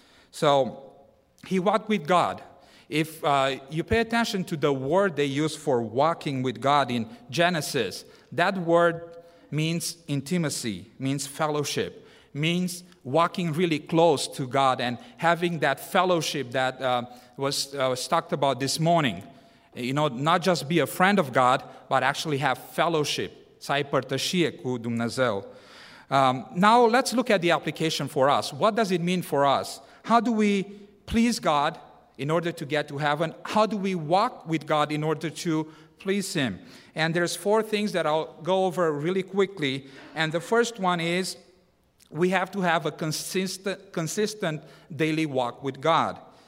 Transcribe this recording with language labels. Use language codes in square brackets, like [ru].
[en] So he walked with God. If you pay attention to the word they use for walking with God in Genesis, that word means intimacy, means fellowship, means walking really close to God and having that fellowship that was talked about this morning. You know, not just be a friend of God, but actually have fellowship. [ro] Să-i părtășie cu Dumnezeu. [en] Now let's look at the application for us. What does it mean for us? How do we please God in order to get to heaven? How do we walk with God in order to please him? And there's four things that I'll go over really quickly. And the first one is, we have to have a consistent daily walk with God.